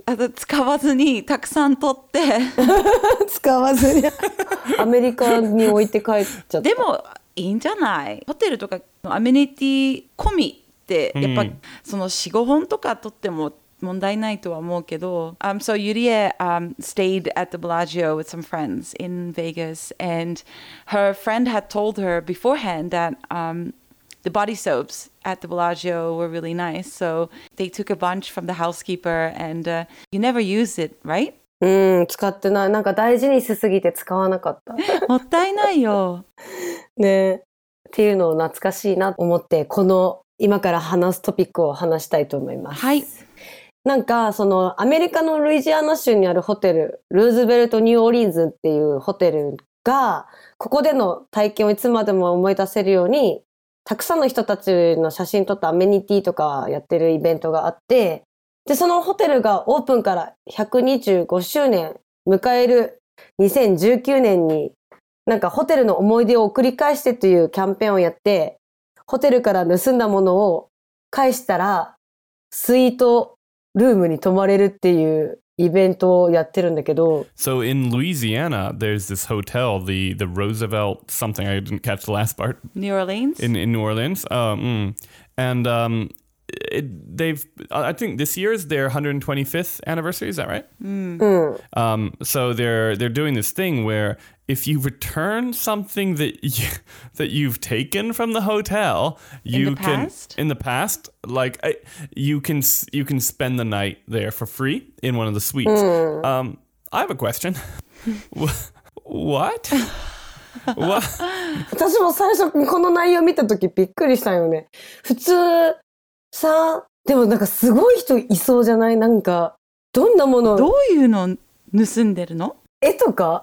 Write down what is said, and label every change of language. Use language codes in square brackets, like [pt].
[ja] あと使わずにたくさん取って使わずにアメリカに置いて帰っちゃった。でもいいんじゃない、ホテルとかのアメニティ込みってやっぱ、その 4,5 本とか取っても問題ないとは思うけど。 [en] So Yurie stayed at the Bellagio with some friends in Vegas, and her friend had told her beforehand that the body soaps at the Bellagio were really nice. So they took a bunch from the housekeeper, and you never use it, right? [ja] 使ってない。なんか大事にしすぎて使わなかった。もったいないよ。ね。っていうのを懐かしいなと思って、この今から話すトピックを話したいと思います。はい。なんかそのアメリカのルイジアナ州にあるホテル、ルーズベルトニューオリンズっていうホテルが、ここでの体験をいつまでも思い出せるように、たくさんの人たちの写真撮ったアメニティとかやってるイベントがあって、でそのホテルがオープンから125周年迎える2019年に、なんかホテルの思い出を送り返してというキャンペーンをやって、ホテルから盗んだものを返したらスイートルームに泊まれるっていうイベントをやってるんだけど。 [en] So in Louisiana, there's this hotel, the Roosevelt something, I didn't catch the last part. New Orleans? In New Orleans. And I think this year is their 125th anniversary, is that right? So they're doing this thing where if you return something that you've taken from the hotel, you can spend the night there for free in one of the suites. Mm. I have a question. What? What? [ja] 私も最初この内容見た時びっくりしたよね。普通さ、でもなんかすごい人いそうじゃない？なんかどんなもの、どういうの盗んでるの？絵とか？